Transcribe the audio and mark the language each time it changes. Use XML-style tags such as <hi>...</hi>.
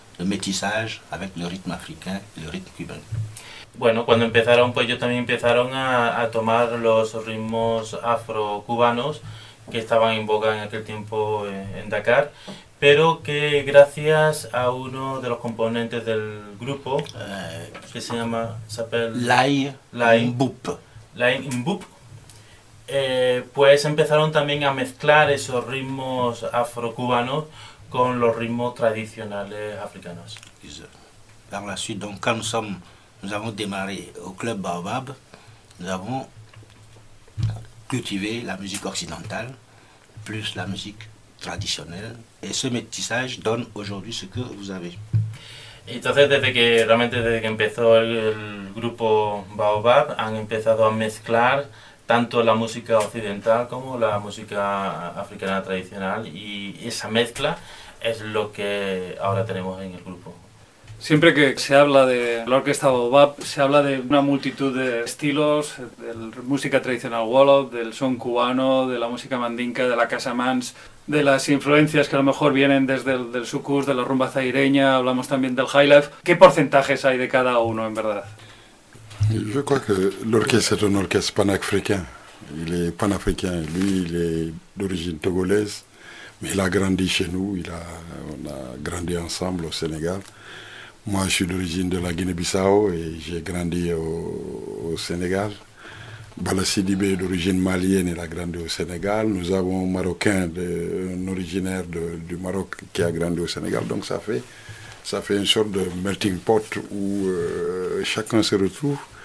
<fr>le métissage avec le rythme africain, le rythme cubain.</fr> <es>Bueno, cuando empezaron, pues ellos también empezaron a tomar los ritmos afro-cubanos que estaban en boga en aquel tiempo en Dakar, pero que gracias a uno de los componentes del grupo, que se llama, Lai Mbup, pues empezaron también a mezclar esos ritmos afro-cubanos con los ritmos tradicionales africanos.</es> <fr>Par la suite, donc, quand nous avons démarré au club Baobab, nous avons cultivé la musique occidentale plus la musique traditionnelle, et ce métissage donne aujourd'hui ce que vous avez.</fr> <es>Entonces, desde que empezó el grupo Baobab, han empezado a mezclar tanto la música occidental como la música africana tradicional, y esa mezcla es lo que ahora tenemos en el grupo. Siempre que se habla de la orquesta Baobab, se habla de una multitud de estilos, de la música tradicional Wolof, del son cubano, de la música mandinka, de la casamance, de las influencias que a lo mejor vienen desde el sucus, de la rumba zaireña, hablamos también del highlife. ¿Qué porcentajes hay de cada uno, en verdad? Yo creo que la orquesta es una orquesta panafricana. Él es panafricano,</es> <fr>lui,</fr> <es>él es de origen togolés, pero él ha</es> <fr>grandi chez nous, on a grandi ensemble au Sénégal. Moi, je suis d'origine de la Guinée-Bissau et j'ai grandi au Sénégal. Bala Sidibé est d'origine malienne et a grandi au Sénégal. Nous avons un Marocain, un originaire du Maroc qui a grandi au Sénégal. Donc ça fait une sorte de melting pot où chacun se retrouve.</fr>